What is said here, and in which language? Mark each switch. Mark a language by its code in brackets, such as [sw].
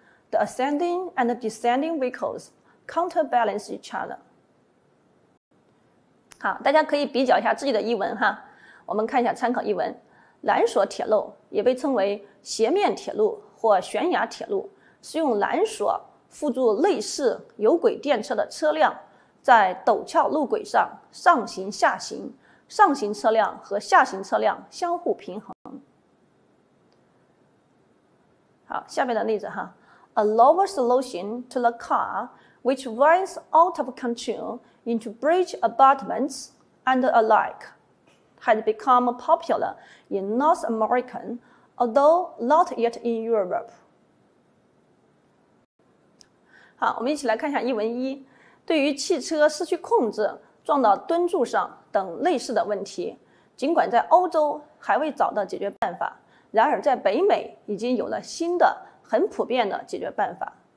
[en] The ascending and descending vehicles counterbalance each other. [zh] 好，大家可以比较一下自己的译文哈。我们看一下参考译文。缆索铁路也被称为斜面铁路或悬崖铁路，是用缆索附住类似有轨电车的车辆，在陡峭路轨上上行下行，上行车辆和下行车辆相互平衡。好，下面的例子哈。 [en] A lower solution to the car, which runs out of control into bridge abutments and the like, had become popular in North America, although not yet in Europe. [zh] 好，我们一起来看一下译文一。对于汽车失去控制、撞到墩柱上等类似的问题，尽管在欧洲还未找到解决办法，然而在北美已经有了新的很普遍的解决办法。